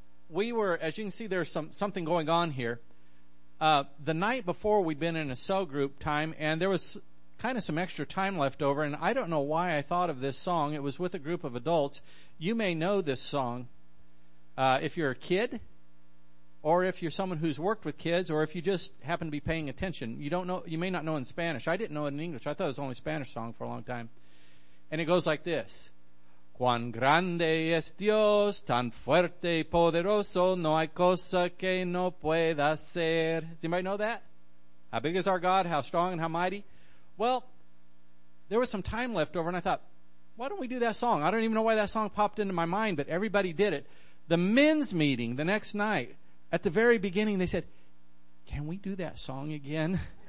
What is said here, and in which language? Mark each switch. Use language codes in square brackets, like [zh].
[en] We were, as you can see, there's something going on here. The night before, we'd been in a cell group time, and there was kind of some extra time left over, and I don't know why I thought of this song. It was with a group of adults. You may know this song if you're a kid, or if you're someone who's worked with kids, or if you just happen to be paying attention. You may not know in Spanish. I didn't know it in English. I thought it was only a Spanish song for a long time. And it goes like this. [es] Cuán grande es Dios, tan fuerte y poderoso, no hay cosa que no pueda hacer. [en] Does anybody know that? How big is our God? How strong and how mighty? Well, there was some time left over, and I thought, why don't we do that song? I don't even know why that song popped into my mind, but everybody did it. The men's meeting the next night, at the very beginning, they said, can we do that song again?